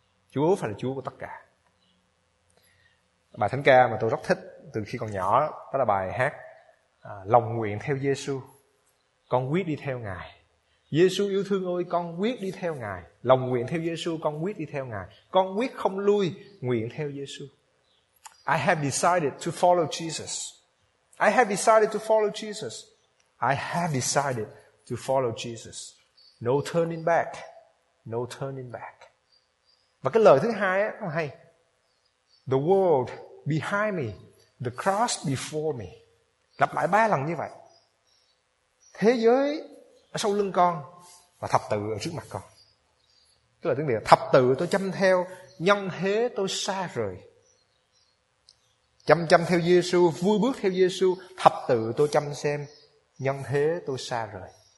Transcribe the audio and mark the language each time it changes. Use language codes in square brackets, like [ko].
[vi] Chúa phải là Chúa của tất cả. Bài thánh ca mà tôi rất thích từ khi còn nhỏ đó là bài hát lòng nguyện theo Giê-xu, con quyết đi theo Ngài. Giê-xu yêu thương ơi, con quyết đi theo Ngài. Lòng nguyện theo Giê-xu, con quyết đi theo Ngài. Con quyết không lui, nguyện theo Giê-xu. [en] I have decided to follow Jesus. I have decided to follow Jesus. I have decided to follow Jesus. No turning back. No turning back. [vi] Và cái lời thứ hai á, hay. [en] The world behind me, the cross before me. [vi] Lặp lại ba lần như vậy. Thế giới ở sau lưng con và thập tự ở trước mặt con. Tức là tiếng Việt, thập tự tôi chăm theo, nhân thế tôi xa rời. Chăm chăm theo Giê-xu, vui bước theo Giê-xu, thập tự tôi chăm xem, nhân thế tôi xa rời.